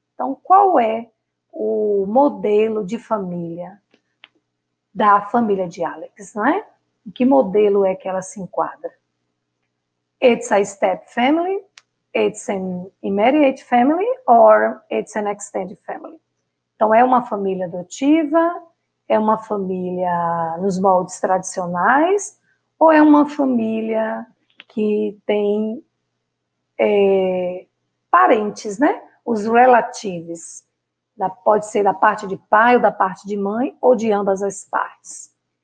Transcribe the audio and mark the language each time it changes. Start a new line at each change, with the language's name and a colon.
Portuguese: Então, qual é o modelo de família da família de Alex, né? Em que modelo é que ela se enquadra?
English: It's a step family, it's an immediate family, or it's an extended family.
Portuguese: Então, é uma família adotiva, é uma família nos moldes tradicionais, ou é uma família que tem parentes, né? Os relatives. Pode ser da parte de pai ou da parte de mãe, ou de ambas as partes.